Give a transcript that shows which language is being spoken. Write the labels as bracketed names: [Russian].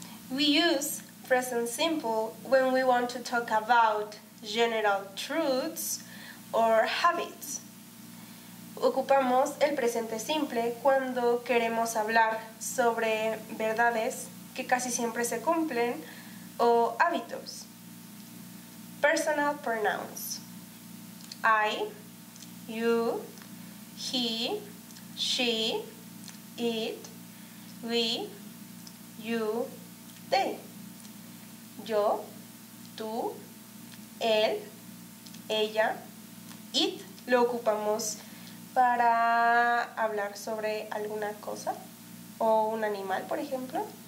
[English] We use present simple when we want to talk about general truths or habits. [Spanish] Ocupamos el presente simple cuando queremos hablar sobre verdades que casi siempre se cumplen o hábitos. [English] Personal pronouns. I, you, he, she, it, we, you, they. [Spanish] Yo, tú, él, ella, it lo ocupamos para hablar sobre alguna cosa o un animal, por ejemplo.